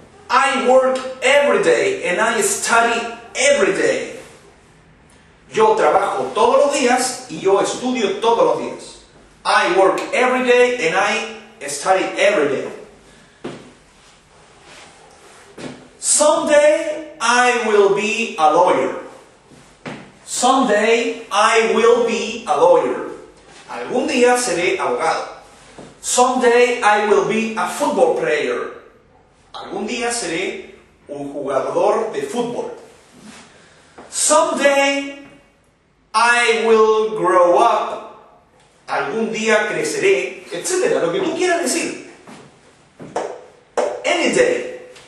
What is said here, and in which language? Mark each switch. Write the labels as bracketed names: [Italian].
[English] I work every day and I study every day. [Spanish] Yo trabajo todos los días y yo estudio todos los días. [English] I work every day and I study every day. Someday I will be a lawyer. Someday I will be a lawyer. [Spanish] Algún día seré abogado. [English] Someday I will be a football player. [Spanish] Algún día seré un jugador de fútbol. [English] Someday I will grow up. [Spanish] Algún día creceré, etcétera, lo que tú quieras decir. [English] Any day.